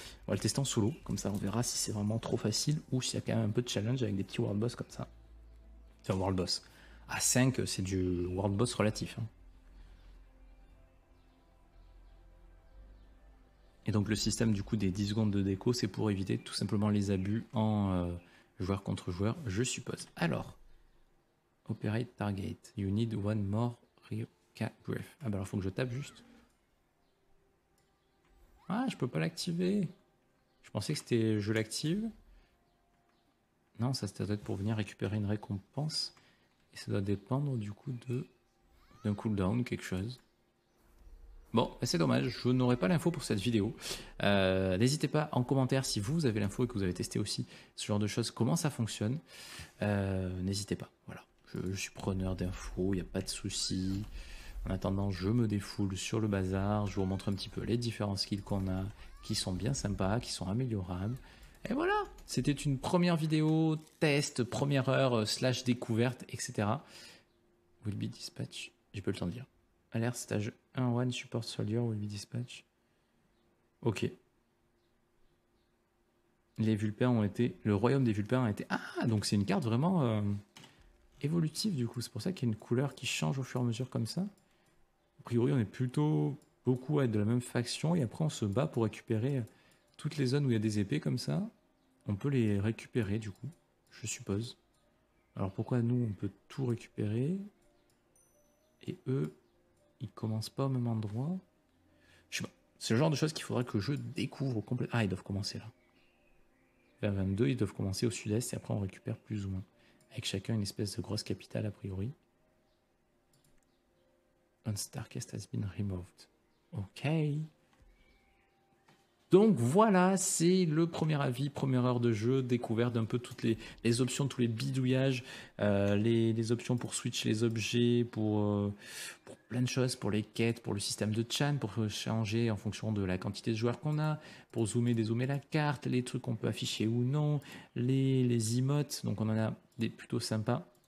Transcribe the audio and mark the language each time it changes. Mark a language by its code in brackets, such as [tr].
[fr] On va le tester en solo, comme ça on verra si c'est vraiment trop facile ou s'il y a quand même un peu de challenge avec des petits world boss comme ça. C'est un world boss. À 5, c'est du world boss relatif. Hein. Et donc le système du coup des 10 secondes de déco, c'est pour éviter tout simplement les abus en joueur contre joueur, je suppose. [en] Alors, operate target, you need one more Ryuka breath. [fr] Ah bah alors faut que je tape juste. Ah, je peux pas l'activer. Je pensais que c'était je l'active. Non, ça c'était peut-être pour venir récupérer une récompense. Et ça doit dépendre du coup de d'un cooldown, quelque chose. Bon, c'est dommage, je n'aurai pas l'info pour cette vidéo. N'hésitez pas en commentaire si vous avez l'info et que vous avez testé aussi ce genre de choses, comment ça fonctionne. N'hésitez pas, voilà. Je suis preneur d'infos, il n'y a pas de souci. En attendant, je me défoule sur le bazar. Je vous montre un petit peu les différents skills qu'on a, qui sont bien sympas, qui sont améliorables. Et voilà, c'était une première vidéo, test, première heure, slash découverte, etc. [en] Will be dispatch, [fr] j'ai pas le temps de dire. [en] Alert stage 1, 1 support soldier will be dispatch. [fr] Ok. Les vulpins ont été... Le royaume des vulpins a été... Ah, donc c'est une carte vraiment évolutive du coup. C'est pour ça qu'il y a une couleur qui change au fur et à mesure comme ça. A priori, on est plutôt beaucoup à être de la même faction. Et après, on se bat pour récupérer toutes les zones où il y a des épées comme ça. On peut les récupérer du coup, je suppose. Alors pourquoi nous, on peut tout récupérer. Et eux... Il commence pas au même endroit. Je sais pas. C'est le genre de choses qu'il faudra que je découvre complètement. Ah, ils doivent commencer là. Vers 22, ils doivent commencer au sud-est et après on récupère plus ou moins. Avec chacun une espèce de grosse capitale a priori. [en] Un Starcast has been removed. [fr] Ok. Donc voilà, c'est le premier avis, première heure de jeu, découverte d'un peu toutes les options, tous les bidouillages, les options pour switch les objets, pour plein de choses, pour les quêtes, pour le système de chan, pour changer en fonction de la quantité de joueurs qu'on a, pour zoomer, dézoomer la carte, les trucs qu'on peut afficher ou non, les emotes, donc on en a des plutôt sympas.